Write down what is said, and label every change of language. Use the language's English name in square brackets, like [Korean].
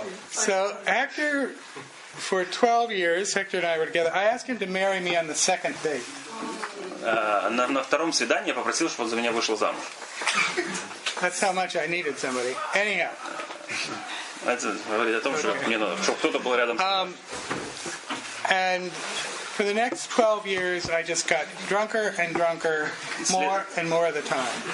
[English] So Hector, for 12 years, Hector and I were together. I asked him to marry me on the second date. [Russian] На втором свидании я попросил, чтобы за меня вышел замуж. [English] That's how much I needed somebody. Anyhow. [Russian] Это говорит о том, что мне надо, чтобы кто-то был рядом. [English] And for the next 12 years, I just got drunker and drunker, more and more of the time.